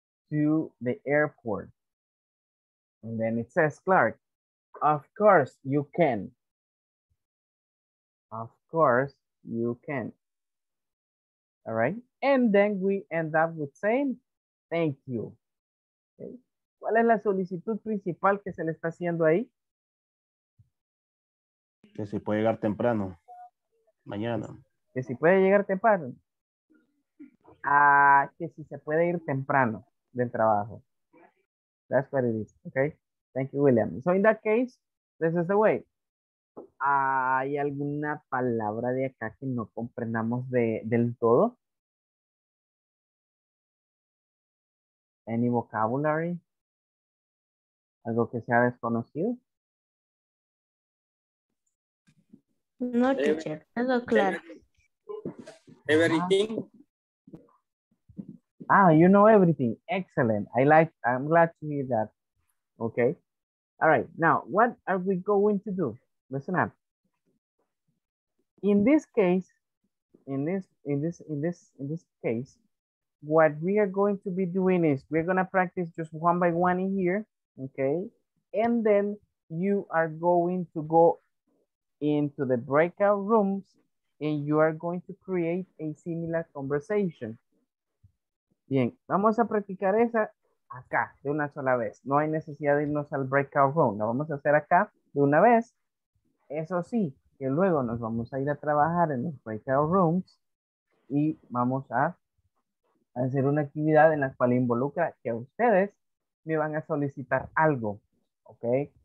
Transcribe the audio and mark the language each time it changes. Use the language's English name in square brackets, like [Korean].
[English] To the airport. And then it says, Clark, of course you can. Of course you can. All right. And then we end up with saying, thank you. Okay. [Spanish] ¿Cuál es la solicitud principal que se le está haciendo ahí? Que si puede llegar temprano. Mañana. Que si puede llegar temprano. Ah, que si se puede ir temprano del trabajo. [English] That's what it is, okay? Thank you, William. So in that case, this is the way. [Spanish] ¿Hay alguna palabra de acá que no comprendamos del todo? [English] Any vocabulary? [Spanish] ¿Algo que sea desconocido? [English] No, teacher. Hello, Clark. Everything. Ah, you know everything. Excellent. I'm glad to hear that. Okay. All right, now, what are we going to do? Listen up. In this case, in this case, what we are going to be doing is we're gonna practice just one by one in here, okay? And then you are going to go into the breakout rooms and you are going to create a similar conversation. [Spanish] Bien, vamos a practicar esa acá de una sola vez. No hay necesidad de irnos al breakout room. Lo vamos a hacer acá de una vez. Eso sí, que luego nos vamos a ir a trabajar en los breakout rooms y vamos a hacer una actividad en la cual involucra que ustedes me van a solicitar algo, ¿ok?